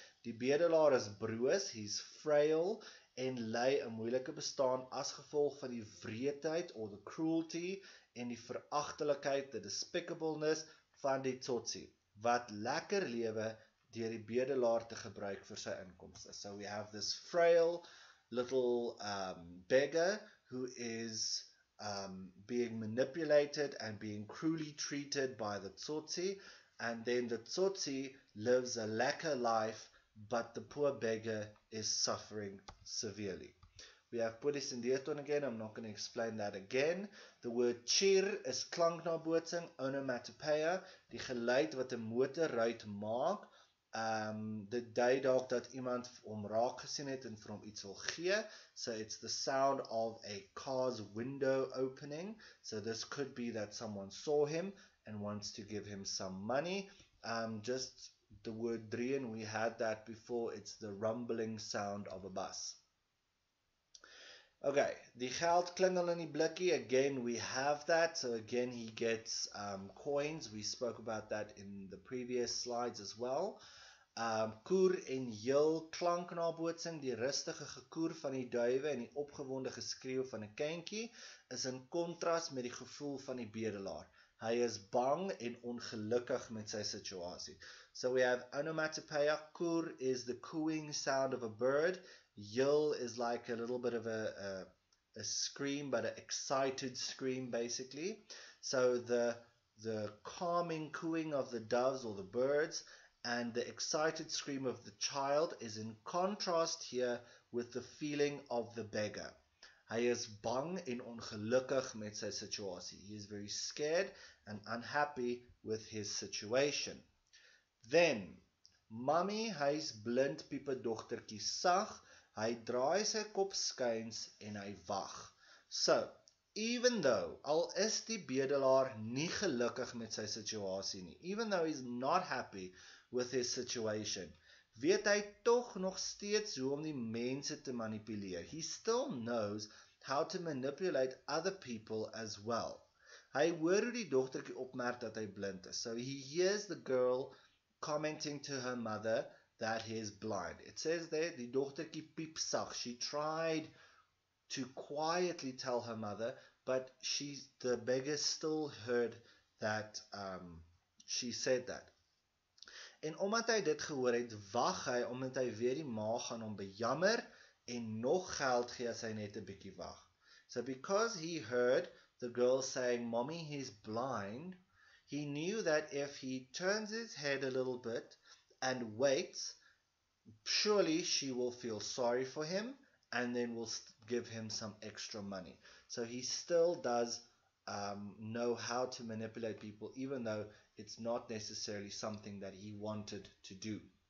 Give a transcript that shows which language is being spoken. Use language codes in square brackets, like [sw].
[af] Die bedelaar is broos, [en] he's frail, [af] en lei 'n moeilike bestaan as gevolg van die wreedheid [en] or the cruelty [af] en die verachtelikheid, [en] the despicableness [af] van die tsotsi, wat lekker lewe deur die bedelaar te gebruik vir sy inkomste. [en] So we have this frail little beggar who is being manipulated and being cruelly treated by the tsotsi, and then the tsotsi lives a lekker life, but the poor beggar is suffering severely. We have polis in deerton again, I'm not going to explain that again. The word cheer is [af] klanknabootsing, onomatopoeia, die geluid wat 'n motor ruit maak, dit dui dalk dat iemand hom raak gesien het en vir hom iets wil gee, [en] so it's the sound of a car's window opening, so this could be that someone saw him and wants to give him some money. Just the word drieën, we had that before, it's the rumbling sound of a bus. Okay, [af] die geld klingel in die blikkie, [en] again we have that, so again he gets coins, we spoke about that in the previous slides as well. [af] Koer en jil, klanknabootsing, die rustige gekoer van die duive en die opgewonde geskreeuw van 'n kindjie, is in kontras met die gevoel van die bedelaar. Hy is bang en ongelukkig met sy situasie. [en] So we have onomatopoeia, koer is the cooing sound of a bird. Yul is like a little bit of a scream, but an excited scream, basically. So the calming cooing of the doves or the birds and the excited scream of the child is in contrast here with the feeling of the beggar. [af] Hy is bang en ongelukkig met sy situasie. [en] He is very scared and unhappy with his situation. Then, mommy, [af] hy is blind, piepe dogtertjie sag. Hy draai sy kop skuins en hy wag. [en] So, even though, [af] al is die bedelaar nie gelukkig met sy situasie nie, [en] even though he's not happy with his situation, [af] weet hy toch nog steeds hoe om die mense te manipuleer. [en] He still knows how to manipulate other people as well. [af] Hy hoor hoe die dogtertjie opmerk dat hy blind is. [en] So he hears the girl commenting to her mother that he is blind. It says there, die dogtertjie piep sag. She tried to quietly tell her mother, but the beggar still heard that she said that. [af] En omdat hy dit gehoor het, wag hy, omdat hy weer die ma gaan om bejammer en nog geld gee as hy net 'n bietjie wag. [en] So because he heard the girl saying, "Mommy, he's blind." He knew that if he turns his head a little bit and waits, surely she will feel sorry for him and then will give him some extra money. So he still does know how to manipulate people, even though it's not necessarily something that he wanted to do.